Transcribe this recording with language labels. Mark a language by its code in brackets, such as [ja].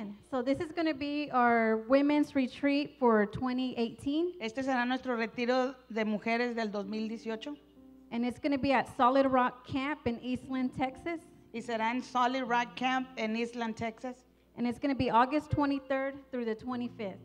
[en] So this is going to be our women's retreat for 2018. [es] Este será nuestro retiro de mujeres del 2018. [en] And it's going to be at Solid Rock Camp in Eastland, Texas. [es] Y será en Solid Rock Camp en Eastland, Texas. [en] And it's going to be August 23rd through the 25th.